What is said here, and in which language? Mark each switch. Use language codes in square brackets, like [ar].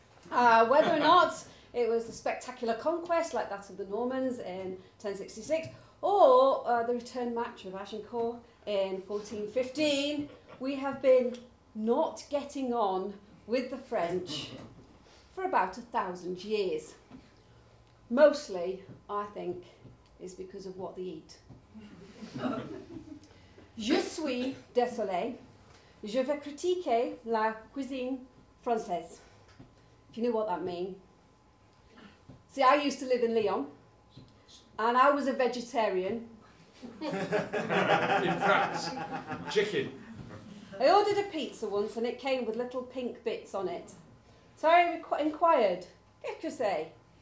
[en] Whether or not it was a spectacular conquest like that of the Normans in 1066, or the return match of Agincourt in 1415, we have been not getting on with the French for about 1,000 years. Mostly, I think, is because of what they eat. [fr] Je suis désolé. Je vais critiquer la cuisine française. [en] If you knew what that means. See, I used to live in Lyon, and I was a vegetarian. In France, chicken. I ordered a pizza once, and it came with little pink bits on it. So I inquired, [fr] qu'est-ce que c'est?